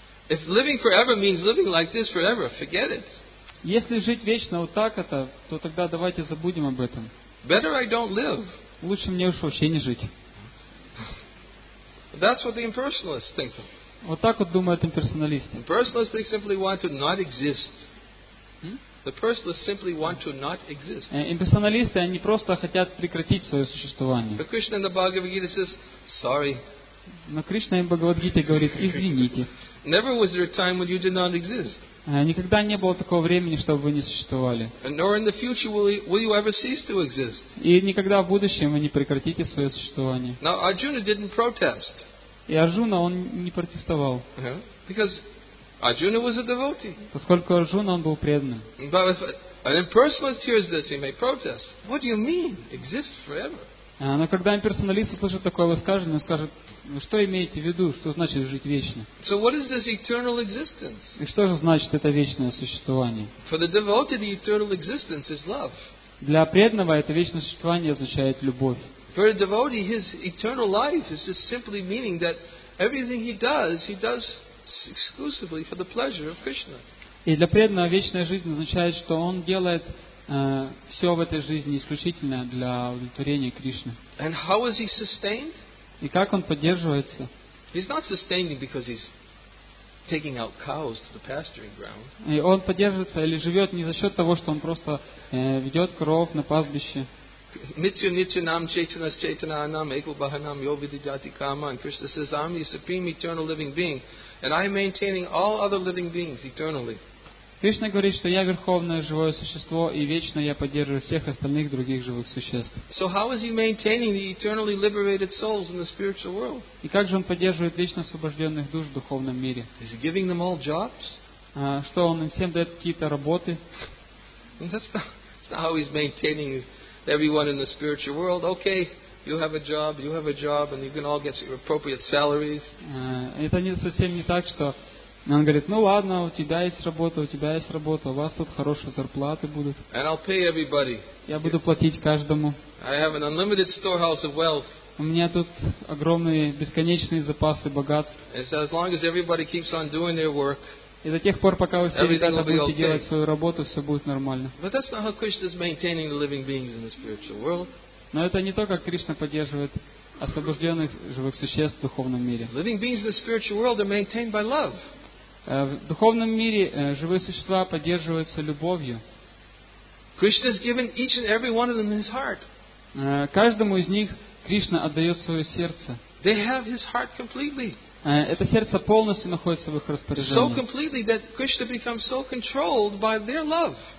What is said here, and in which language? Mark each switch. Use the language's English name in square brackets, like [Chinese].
[English] If living forever means living like this forever, forget it. [Russian] Если жить вечно вот так это, то тогда давайте забудем об этом. [English] Better I don't live. [Russian] лучше мне уж вообще не жить. [English] That's what the impersonalists think. [Russian] Вот так вот думают имперсоналисты. [English] Impersonalists, they simply want to not exist. The personalists simply want to not exist. [Russian] Имперсоналисты, они просто хотят прекратить свое существование. [English] But Krishna in the Bhagavad Gita says, sorry. [Russian] Но Кришна в Бхагавад Гите говорит, извините. [English] Never was there a time when you did not exist. [Russian] Никогда не было такого времени, чтобы вы не существовали. И никогда в будущем вы не прекратите свое существование. [English] Now, Arjuna didn't protest. [Russian] И Арджуна, он не протестовал. [English] Because Arjuna was a devotee. [Russian] Поскольку Арджуна, он был преданным. [English] But if an impersonalist hears this, he may protest. What do you mean? Exist forever. [Russian] Но когда имперсоналист услышит такое высказывание, он скажет, что имеете в виду, что значит жить вечно? [English] So what is this eternal existence? [Russian] И что же значит это вечное существование? [English] For the devoted, the eternal existence is love. [Russian] Для преданного это вечное существование означает любовь. [English] For a devotee, his eternal life is just simply meaning that everything he does exclusively for the pleasure of Krishna. [Russian] И для преданного вечная жизнь означает, что он делает все в этой жизни исключительно для удовлетворения Кришны. [English] And how is he sustained? [Russian] И как он поддерживается? [English] He's not sustaining because he's taking out cows to the pasturing ground. [Russian] И он поддерживается или живет не за счет того, что он просто ведет коров на пастбище. [Sanskrit] Nitya nitya nam chaitanas chaitana anam eko bahanam yo vidijati kama. [English] And Krishna says, I'm the supreme eternal living being, and I am maintaining all other living beings eternally. [Russian] Кришна говорит, что я верховное живое существо, и вечно я поддерживаю всех остальных других живых существ. [English] So how is he maintaining the eternally liberated souls in the spiritual world? [Russian] И как же он поддерживает вечно освобожденных душ в духовном мире? [English] Is he giving them all jobs? [Russian] Что он им всем дает какие-то работы? [English] That's not how he's maintaining everyone in the spiritual world. Okay. You have a job, and you can all get your appropriate salaries. [Russian] Это не совсем не так, что он говорит, ну ладно, у тебя есть работа, у тебя есть работа, у вас тут хорошие зарплаты будут. [English] And I'll pay everybody. [Russian] Я буду платить каждому. [English] I have an unlimited storehouse of wealth. [Russian] У меня тут огромные бесконечные запасы богатств. [English] As long as everybody keeps on doing their work. [Russian] И до тех пор, пока вы все ребята будете делать свою работу, все будет нормально. [English] But that's not how Krishna is maintaining the living beings in the spiritual world. [Russian] Но это не то, как Кришна поддерживает освобожденных живых существ в духовном мире. [English] Living beings in the spiritual world are maintained by love. [Russian] В духовном мире живые существа поддерживаются любовью. [English] Krishna has given each and every one of them his heart. [Russian] Каждому из них Кришна отдает свое сердце. [English] They have his heart completely. [Russian] Это сердце полностью находится в их распоряжении. [English] So completely that Krishna becomes so controlled by their love.